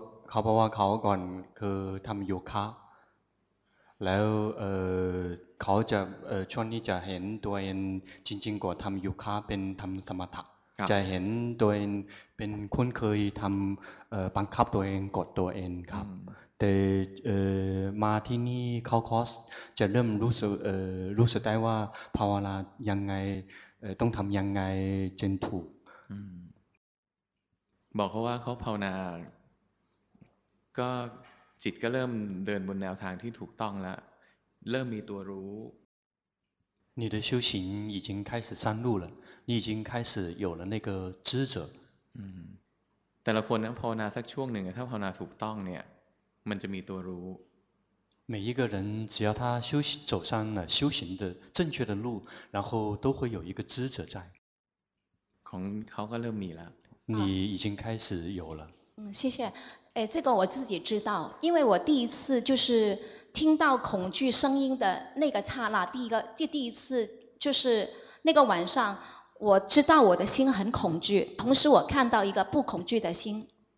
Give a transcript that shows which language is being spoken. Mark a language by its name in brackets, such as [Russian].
[Thai] เขาบอกว่าเขาก่อนคือทำโยคะแล้วเขาจะช่วงนี้จะเห็นตัวเองจริงๆก่อนทำโยคะเป็นทำสมถะจะเห็นตัวเองเป็นคนเคยทำบังคับตัวเองกดตัวเองครับแต่มาที่นี่เข้าคอร์สจะเริ่มรู้สึกได้ว่าภาวนายังไงต้องทำยังไงจึงถูก บอกเขาว่าเขาภาวนาก็จิตก็เริ่มเดินบนแนวทางที่ถูกต้องแล้วเริ่มมีตัวรู้ [Chinese] 你的修行已经开始上路了你已经开始有了那个知者 [Thai] แต่ละคนนั้นภาวนาสักช่วงหนึ่งถ้าภาวนาถูกต้องเนี่ยมันจะมีตัวรู้ [Chinese] 每一个人只要他修行走上了修行的正确的路然后都会有一个知者在 [Thai] ของเขาก็เริ่มมีแล้ว [Chinese] 你已经开始有了谢谢哎这个我自己知道因为我第一次就是听到恐惧声音的那个刹那第一次就是那个晚上我知道我的心很恐惧同时我看到一个不恐惧的心